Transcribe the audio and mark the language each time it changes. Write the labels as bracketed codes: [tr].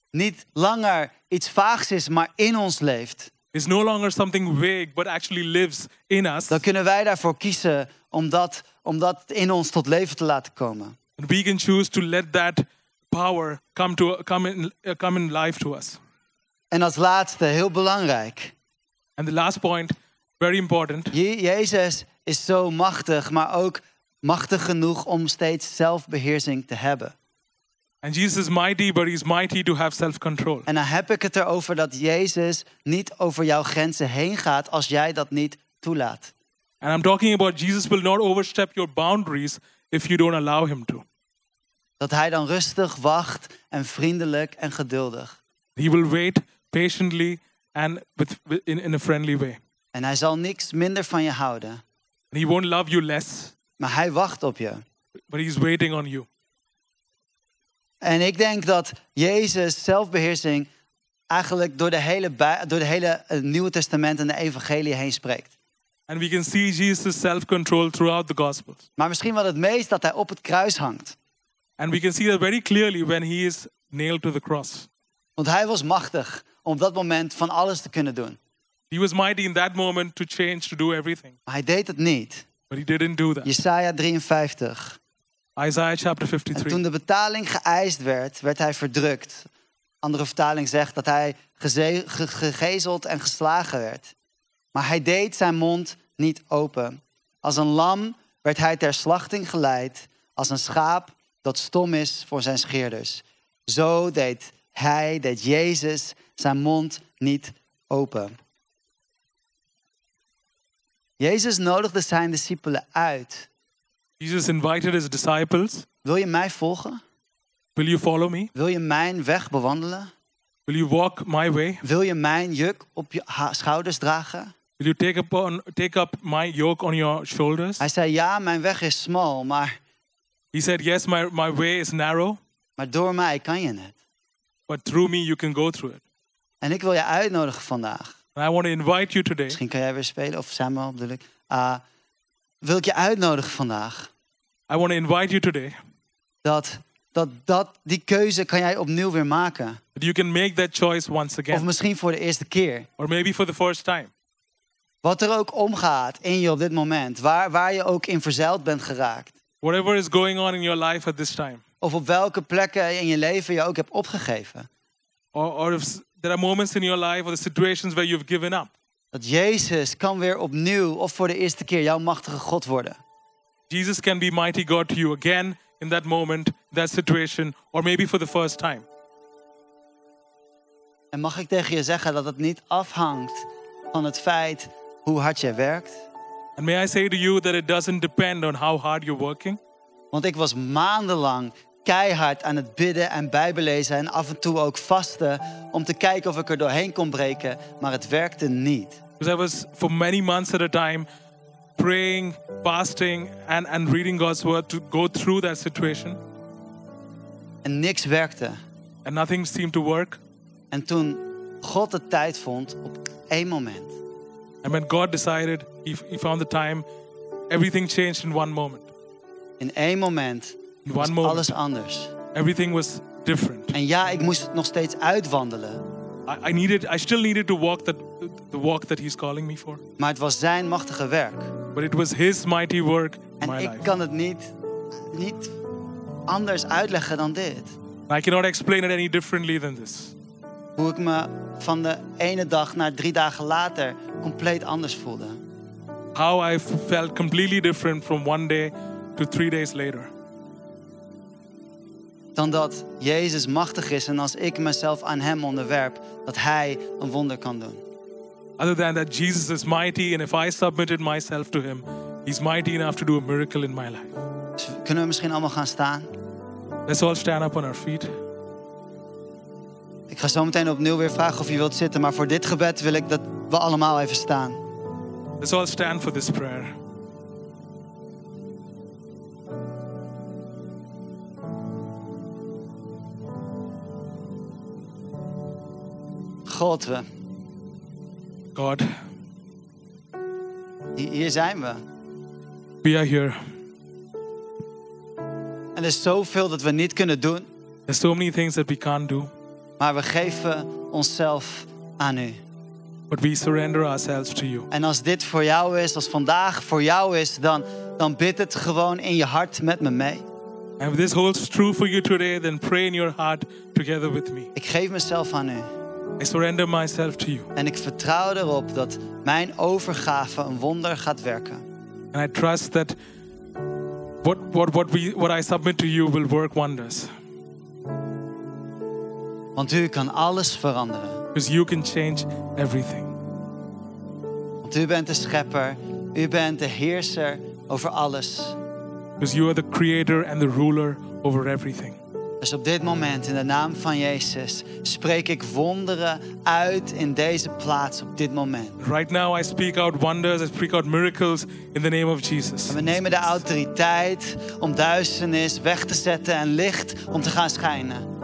[nl] niet langer iets vaags is, maar in ons leeft, [en] is no longer something vague, but actually lives in us. [nl] Dan kunnen wij daarvoor kiezen om dat in ons tot leven te laten komen. [en] And we can choose to let that power come in life to us. [nl] En als laatste, heel belangrijk. [en] And the last point, very important. [nl] Jezus is zo machtig, maar ook machtig genoeg om steeds zelfbeheersing te hebben. [en] And Jesus is mighty, but he's mighty to have self-control. [nl] En dan heb ik het erover dat Jezus niet over jouw grenzen heen gaat als jij dat niet toelaat. [en] And I'm talking about Jesus will not overstep your boundaries if you don't allow him to. [nl] Dat hij dan rustig wacht en vriendelijk en geduldig. [en] He will wait patiently and in a friendly way. [nl] En hij zal niks minder van je houden. [en] And he won't love you less. [nl] Maar hij wacht op je. [en] But he's waiting on you. [nl] En ik denk dat Jezus zelfbeheersing eigenlijk door de hele Nieuwe Testament en de Evangelie heen spreekt. [en] And we can see Jesus' self-control throughout the Gospels. [nl] Maar misschien wel het meest dat hij op het kruis hangt. [en] And we can see that very clearly when he is nailed to the cross. [nl] Want hij was machtig om op dat moment van alles te kunnen doen. [en] He was mighty in that moment to change, to do everything. [nl] Maar hij deed het niet. [en] But he didn't do that. [nl] Jesaja 53. [en] Isaiah chapter 53. [nl] En toen de betaling geëist werd, werd hij verdrukt. Andere vertaling zegt dat hij gegezeld en geslagen werd. Maar hij deed zijn mond niet open. Als een lam werd hij ter slachting geleid. Als een schaap dat stom is voor zijn scheerders. Zo deed Jezus zijn mond niet open. Jezus nodigde zijn discipelen uit. [en] Jesus invited his disciples. [nl] Wil je mij volgen? [en] Will you follow me? [nl] Wil je mijn weg bewandelen? [en] Will you walk my way? [nl] Wil je mijn juk op je schouders dragen? [en] Will you take up my yoke on your shoulders? [nl] Hij zei ja, mijn weg is smal, maar. [en] He said yes, my way is narrow. [nl] Maar door mij kan je het. [en] But through me you can go through it. [nl] En ik wil je uitnodigen vandaag. [en] And I want to invite you today. [nl] Misschien kan jij weer spelen of Samuel bedoel ik. Wil ik je uitnodigen vandaag. [en] I want to invite you today. [nl] Dat die keuze kan jij opnieuw weer maken. [en] But you can make that choice once again. [nl] Of misschien voor de eerste keer. [en] Or maybe for the first time. [nl] Wat er ook omgaat in je op dit moment. Waar je ook in verzeild bent geraakt. [en] Whatever is going on in your life at this time. [nl] Of op welke plekken in je leven je ook hebt opgegeven. [en] Or if there are moments in your life or the situations where you've given up. [nl] Dat Jezus kan weer opnieuw of voor de eerste keer jouw machtige God worden. [en] Jesus can be mighty God to you again in that moment, that situation, or maybe for the first time. [nl] En mag ik tegen je zeggen dat het niet afhangt van het feit hoe hard jij werkt? [en] And may I say to you that it doesn't depend on how hard you're working? [nl] Want ik was maandenlang keihard aan het bidden en bijbelezen en af en toe ook vasten om te kijken of ik er doorheen kon breken, maar het werkte niet. [en] Because I was for many months at a time praying, fasting and reading God's word to go through that situation. [nl] En niks werkte. [en] And nothing seemed to work. [nl] En toen God de tijd vond op één moment. [en] And when God decided, he found the time, everything changed in one moment. [nl] In één moment. Was alles anders. [en] Everything was different. [nl] En ja, ik moest het nog steeds uitwandelen. [en] I still needed to walk the walk that he's calling me for. [nl] Maar het was zijn machtige werk. [en] But it was his mighty work in my life. [nl] En ik kan het niet anders uitleggen dan dit. [en] I cannot explain it any differently than this. [nl] Hoe ik me van de ene dag naar drie dagen later compleet anders voelde. [en] How I felt completely different from one day to three days later. [nl] Dan dat Jezus machtig is en als ik mezelf aan hem onderwerp, dat hij een wonder kan doen. [en] Other than that Jesus is mighty and if I submitted myself to him, he's mighty enough to do a miracle in my life. [nl] Dus kunnen we misschien allemaal gaan staan? [en] Let's all stand up on our feet. [nl] Ik ga zo meteen opnieuw weer vragen of je wilt zitten, maar voor dit gebed wil ik dat we allemaal even staan. [en] Let's all stand for this prayer. [nl] God, hier zijn we. [en] We are here. [nl] En er is zoveel dat we niet kunnen doen. [en] There's so many things that we can't do. [nl] Maar we geven onszelf aan u. [en] But we surrender ourselves to you. [nl] En als dit voor jou is, als vandaag voor jou is, dan bid het gewoon in je hart met me mee. [en] And if this holds true for you today, then pray in your heart together with me. [nl] Ik geef mezelf aan u. [en] I surrender myself to you. [nl] En ik vertrouw erop dat mijn overgave een wonder gaat werken. [en] And I trust that what I submit to you will work wonders. [nl] Want u kan alles veranderen. [en] Because you can change everything. [nl] Want u bent de schepper. U bent de heerser over alles. [en] Because you are the creator and the ruler over everything. [nl] Dus op dit moment, in de naam van Jezus, spreek ik wonderen uit in deze plaats op dit moment. [en] Right now I speak out wonders, I speak out miracles in the name of Jesus. [nl] En we nemen de autoriteit om duisternis weg te zetten en licht om te gaan schijnen.